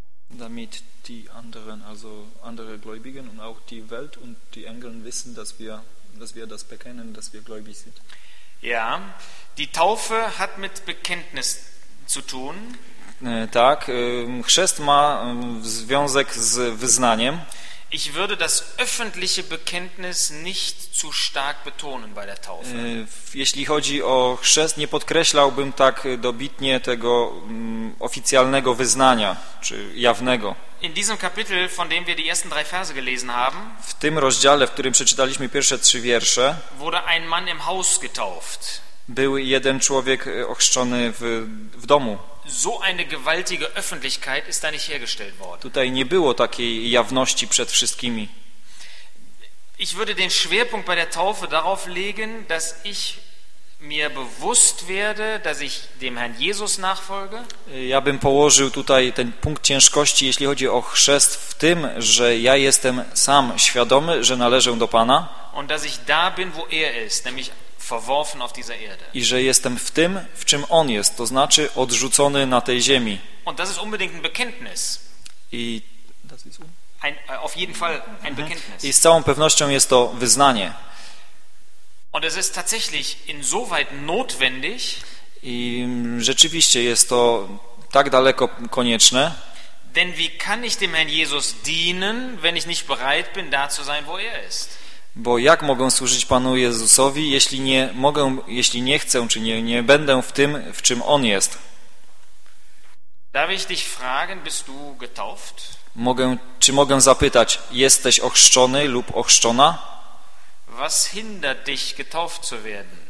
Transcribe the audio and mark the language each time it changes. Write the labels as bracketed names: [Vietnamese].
[German] Damit die anderen, also andere Gläubigen und auch die Welt und die Engel wissen, dass wir das bekennen, dass wir gläubig sind. Ja, die Taufe hat mit Bekenntnis zu tun. [Polish] Tak, chrzest ma związek z wyznaniem. [German] Ich würde das öffentliche Bekenntnis nicht zu stark betonen bei der Taufe. [Polish] Jeśli chodzi o chrzest, nie podkreślałbym tak dobitnie tego oficjalnego wyznania, czy jawnego. [German] In diesem Kapitel, von dem wir die ersten drei Verse gelesen haben, [Polish] w tym rozdziale, w którym przeczytaliśmy pierwsze trzy wiersze, [German] wurde ein Mann im Haus getauft. [Polish] Był jeden człowiek ochrzczony w domu. [German] So eine gewaltige Öffentlichkeit ist da nicht hergestellt worden. [Polish] Tutaj nie było takiej jawności przed wszystkimi. [German] Ich würde den Schwerpunkt bei der Taufe darauf legen, dass ich mir bewusst werde, dass ich dem Herrn Jesus nachfolge. [Polish] Ja bym położył tutaj ten punkt ciężkości, jeśli chodzi o chrzest, w tym, że ja jestem sam świadomy, że należę do Pana. [German] Und dass ich da bin, wo er ist, nämlich verworfen auf dieser Erde. [Polish] I że jestem w tym, w czym on jest, to znaczy odrzucony na tej ziemi. [German] Und das ist unbedingt ein Bekenntnis. I das ist ein auf jeden Fall ein Bekenntnis. [Polish] I z całą pewnością jest to wyznanie. [German] Und es ist tatsächlich insoweit notwendig. [Polish] I rzeczywiście jest to tak daleko konieczne. [German] Denn wie kann ich dem Herrn Jesus dienen, wenn ich nicht bereit bin, da zu sein, wo er ist? [Polish] Bo jak mogę służyć Panu Jezusowi, jeśli nie mogę, jeśli nie chcę, czy nie będę w tym, w czym On jest? [German] Darf ich dich fragen, bist du getauft? [Polish] Czy mogę zapytać, jesteś ochrzczony lub ochrzczona? [German] Was hindert dich, getauft zu werden?